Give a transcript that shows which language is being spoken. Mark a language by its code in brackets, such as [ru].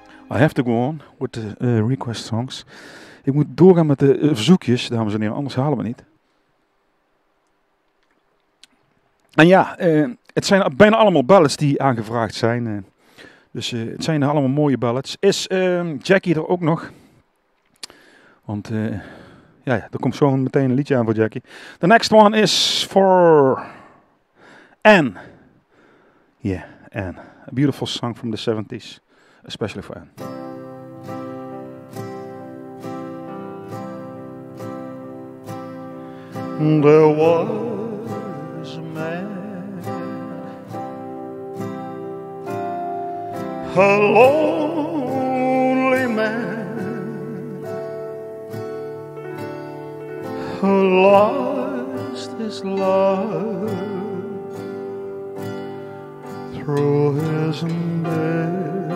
[en] I have to go on with the request songs. [nl] Ik moet doorgaan met de verzoekjes, dames en heren, anders halen we niet. En ja, het zijn bijna allemaal ballads die aangevraagd zijn. Dus het zijn allemaal mooie ballads. Is Jackie er ook nog? Want er komt zo meteen een liedje aan voor Jackie. [en] The next one is for Anne. Yeah, Anne. A beautiful song from the 70s. Especially for Anne. There was a man, a lonely man, who lost his love through his indifference.